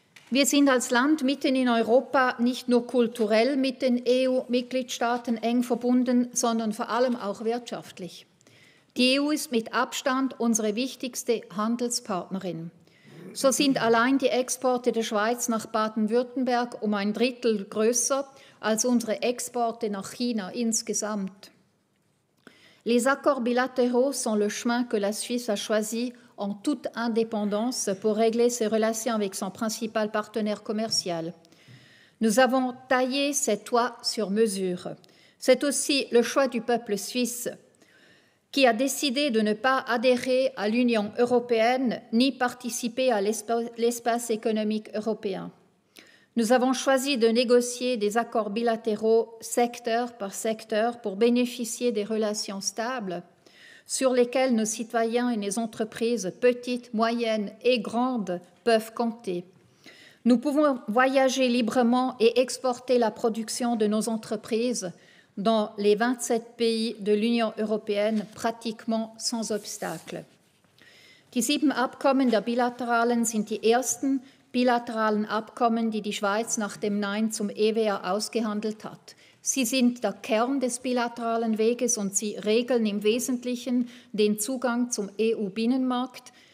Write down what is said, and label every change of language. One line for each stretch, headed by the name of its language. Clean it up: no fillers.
German: Wir sind als Land mitten in Europa nicht nur kulturell mit den EU-Mitgliedstaaten eng verbunden, sondern vor allem auch wirtschaftlich. Die EU ist mit Abstand unsere wichtigste Handelspartnerin. So sind allein die Exporte der Schweiz nach Baden-Württemberg um ein Drittel größer als unsere Exporte nach China insgesamt.
French: Les accords bilatéraux sont le chemin que la Suisse a choisi en toute indépendance pour régler ses relations avec son principal partenaire commercial. Nous avons taillé cette toit sur mesure. C'est aussi le choix du peuple suisse qui a décidé de ne pas adhérer à l'Union européenne ni participer à l'espace économique européen. Nous avons choisi de négocier des accords bilatéraux secteur par secteur pour bénéficier des relations stables sur lesquelles nos citoyens et nos entreprises, petites, moyennes et grandes, peuvent compter. Nous pouvons voyager librement et exporter la production de nos entreprises dans les 27 pays de l'Union européenne pratiquement sans obstacle.
German: Die 7 Abkommen der Bilateralen sind die ersten bilateralen Abkommen, die die Schweiz nach dem Nein zum EWA ausgehandelt hat. Sie sind der Kern des bilateralen Weges und sie regeln im Wesentlichen den Zugang zum EU-Binnenmarkt.